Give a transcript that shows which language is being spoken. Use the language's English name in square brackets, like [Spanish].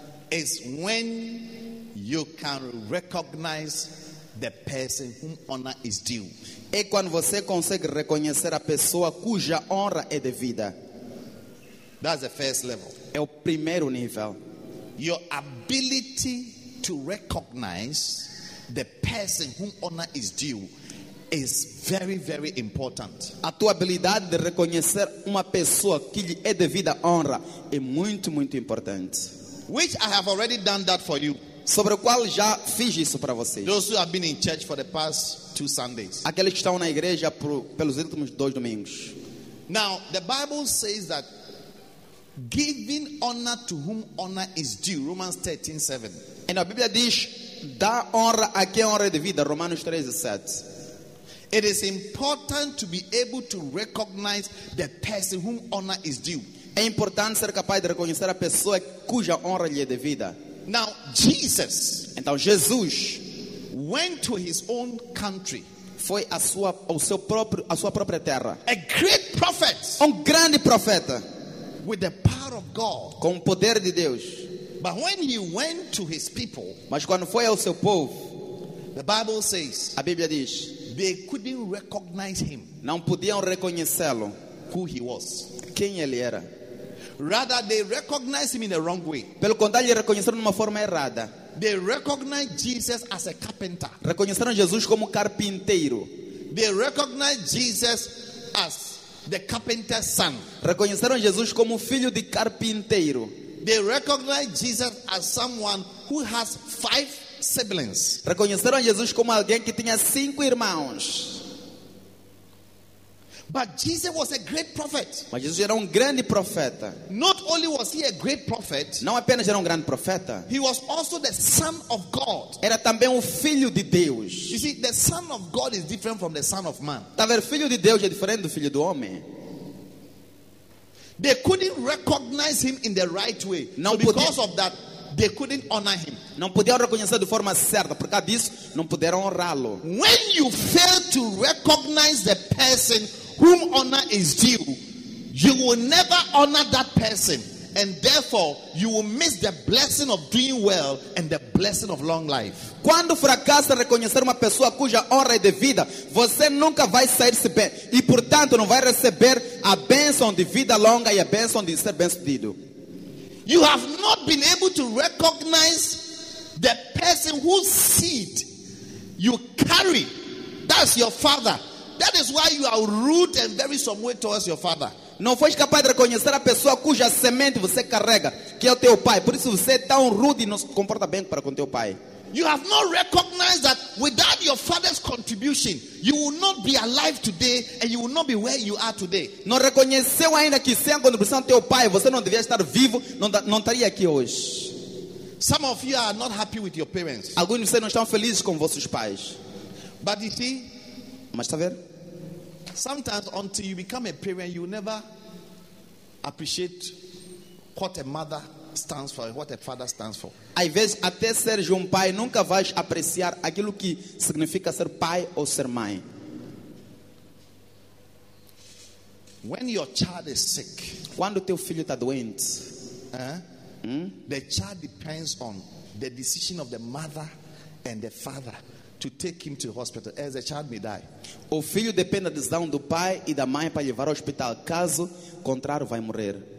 [English] Is when you can recognize the person whom honor is due. [Portuguese] É quando você consegue reconhecer a pessoa cuja honra é devida. [English] That's the first level. [Portuguese] É o primeiro nível. [English] Your ability to recognize the person whom honor is due is very, very important. [Portuguese] A tua habilidade de reconhecer uma pessoa que lhe é devida honra é muito, muito importante. [English] Which I have already done that for you. [Portuguese] Sobre o qual já fiz isso para vocês. [English] Those who have been in church for the past two Sundays. [Portuguese] Aqueles que estão na igreja pelos últimos dois domingos. [English] Now, the Bible says that giving honor to whom honor is due, Romans 13, 7. [Portuguese] E na Bíblia diz, dá honra a quem honra é devida, Romanos 13, 7. [English] It is important to be able to recognize the person whom honor is due. [Portuguese] É importante ser capaz de reconhecer a pessoa cuja honra lhe é devida. [English] Now, Jesus, [Portuguese] então, Jesus [English] went to his own country. [Portuguese] Foi a sua própria terra. [English] A great prophet. [Portuguese] Grande profeta. [English] With the power of God. [Portuguese] Com o poder de Deus. [English] But when he went to his people, [Portuguese] mas quando foi ao seu povo, [English] the Bible says, [Portuguese] a Bíblia diz, [English] they couldn't recognize him. [Portuguese] Não podiam reconhecê-lo. [English] Who he was. [Portuguese] Quem ele era. [English] Rather, they recognized him in the wrong way. [Portuguese] Pelo contrário, lhe reconheceram de uma forma errada. [English] They recognized Jesus as a carpenter. [Portuguese] Reconheceram Jesus como carpinteiro. [English] They recognized Jesus as the carpenter's son. [Portuguese] Reconheceram Jesus como filho de carpinteiro. [English] They recognized Jesus as someone who has five siblings. [Portuguese] Reconheceram Jesus como alguém que tinha cinco irmãos. [English] But Jesus was a great prophet. [Portuguese] Mas Jesus era grande profeta. [English] Not only was he a great prophet. [Portuguese] Não apenas era grande profeta. [English] He was also the son of God. [Portuguese] Era também filho de Deus. [English] You see, the son of God is different from the son of man. [Portuguese] Tá vendo, filho de Deus é diferente do filho do homem. [English] They couldn't recognize him in the right way. [Portuguese] Não [English] so because of that, they couldn't honor him. [Portuguese] Não podiam reconhecer de forma certa, por causa disso, não puderam honrá-lo. [English] When you fail to recognize the person whom honor is due, you will never honor that person, and therefore you will miss the blessing of doing well and the blessing of long life. [Portuguese] Quando fracassa reconhecer uma pessoa cuja honra é devida, você nunca vai sair-se bem e portanto não vai receber a bênção de vida longa e a bênção de ser bem-sucedido. [English] You have not been able to recognize the person whose seed you carry. That's your father. That is why you are rude and very some way towards your father. [Portuguese] Não foi capaz de reconhecer a pessoa cuja semente você carrega, que é o teu pai. Por isso você é tão rude e não se comporta bem para com teu pai. [English] You have not recognized that without your father's contribution, you will not be alive today and you will not be where you are today. [Portuguese] Não reconheceu ainda que sem a contribuição do teu pai, você não devia estar vivo, não estaria aqui hoje. [English] Some of you are not happy with your parents. [Portuguese] Alguns de vocês não estão felizes com vossos pais. [English] But you see, [Portuguese] mas está vendo? [English] Sometimes until you become a parent, you never appreciate what a mother stands for, what a father stands for. [Portuguese] Às vezes, até ser um pai, nunca vais apreciar aquilo que significa ser pai ou ser mãe. [English] When your child is sick, [Portuguese] quando teu filho está doente, [English] The child depends on the decision of the mother and the father to take him to the hospital, as the child may die. [Portuguese] O filho depende da decisão do pai e da mãe para levar ao hospital, caso contrário vai morrer.